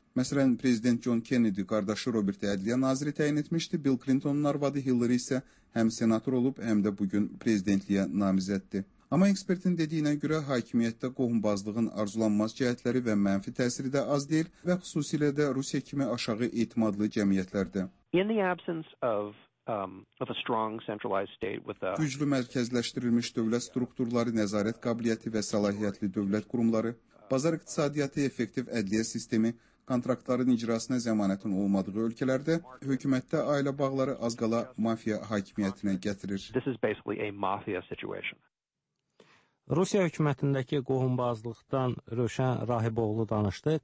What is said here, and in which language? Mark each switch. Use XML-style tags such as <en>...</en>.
<az>Məsələn, prezident John Kennedy qardaşı Robert Ədliyyə naziri təyin etmişdi, Bill Clintonun arvadı Hillary isə həm senator olub, həm də bugün prezidentliyə namizəddir. Amma ekspertin dediyinə görə hakimiyyətdə qohumbazlığın arzulanmaz cəhətləri və mənfi təsiri də az deyil və xüsusilə də Rusiya kimi aşağı etimadlı cəmiyyətlərdə.</az> <en>In the absence of a strong centralized state with a</en> <az>güclü mərkəzləşdirilmiş dövlət strukturları, nəzarət qabiliyyəti və səlahiyyətli dövlət qurumları, bazar iqtisadiyyatı, effektiv ədliyyə sistemi, kontraktların icrasına zəmanətin olmadığı ölkələrdə hökumətdə ailə bağları az qala mafiya hakimiyyətinə gətirir.</az> <en>This is basically a mafia situation.</en> <az>Rusiya hökumətindəki qohumbazlıqdan Rövşən Rahiboğlu danışdı.</az>